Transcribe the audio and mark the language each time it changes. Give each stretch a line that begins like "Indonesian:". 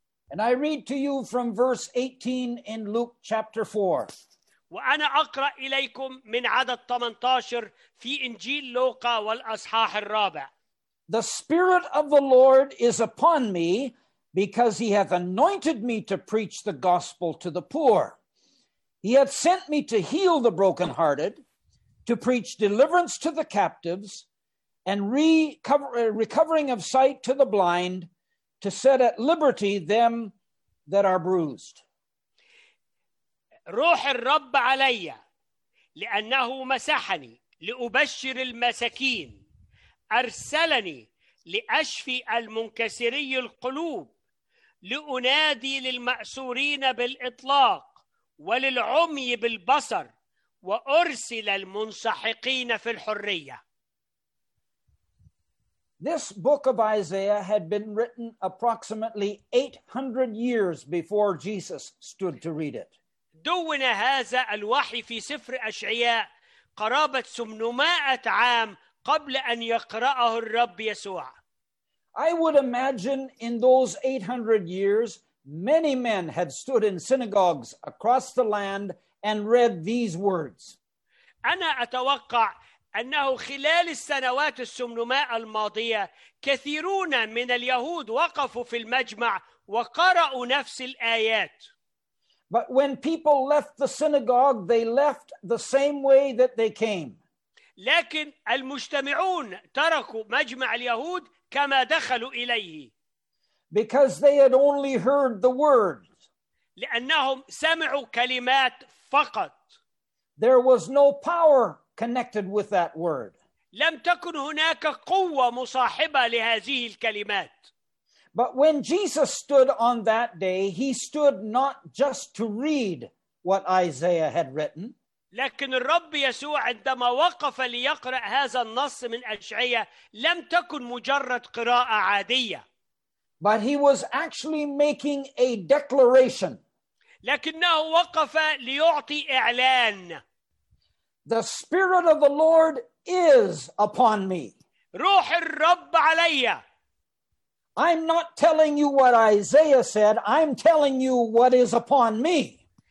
English: And I read to you from verse 18 in Luke chapter 4.
Arabic: وأنا أقرأ إليكم من عدد 18 في إنجيل لوقا والأصحاح الرابع.
English: The Spirit of the Lord is upon me because he hath anointed me to preach the gospel to the poor. He hath sent me to heal the brokenhearted, to preach deliverance to the captives, and recovering of sight to the blind, to set at liberty them that are bruised.
Arabic: روح الرب علي لأنه مسحني لأبشر المساكين أرسلني لأشفي المنكسري القلوب لأنادي للمأسورين بالإطلاق وللعمي بالبصر وأرسل المنسحقين في الحرية.
English: This book of Isaiah had been written approximately 800 years before Jesus stood to read it.
Arabic: دون هذا الوحي في سفر أشعياء قرابة 800 عام قبل أن يقرأه الرب يسوع.
English: I would imagine in those 800 years, many men had stood in synagogues across the land and read these words.
Arabic: أنا أتوقع أنه خلال السنوات 800 الماضية كثيرون من اليهود وقفوا في المجمع وقرأوا نفس الآيات.
English: But when people left the synagogue, they left the same way that they came.
Arabic: لكن المجتمعون تركوا مجمع اليهود كما دخلوا إليه.
English: Because they had only heard the words.
Arabic: لأنهم سمعوا كلمات فقط.
English: There was no power connected with that word.
Arabic: لم تكن هناك قوة مصاحبة لهذه الكلمات.
English: But when Jesus stood on that day, he stood not just to read what Isaiah had written.
Arabic: لكن الرب يسوع عندما وقف ليقرأ هذا النص من أشعياء لم تكن مجرد قراءة عادية.
English: But he was actually making a declaration.
Arabic: لكنه وقف ليعطي إعلان.
English: The Spirit of the Lord is upon me.
Arabic: روح الرب علي.
English: I'm not telling you what Isaiah said. I'm telling you what is upon me.